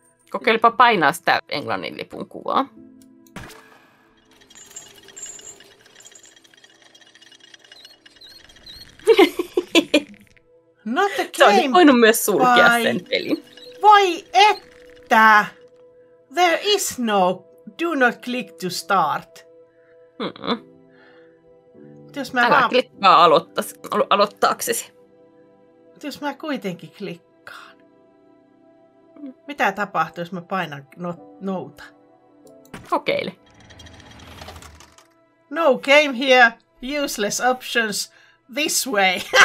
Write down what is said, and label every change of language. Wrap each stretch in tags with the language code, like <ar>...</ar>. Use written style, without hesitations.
<fi>Kokeilpa painaa sitä englannin lipun kuvaa.</fi> <en>Not the game.</en> <fi>Sä olisit voinut myös sulkea sen pelin. Voi että!</fi> <en>There is no do not click to start.</en> <fi>Älä klikkaa aloittaaksesi. Jos mä kuitenkin klikkaan. Mitä tapahtuu, jos mä painan nouta? Kokeile.</fi> <en>No game here. Useless options. This way.</en>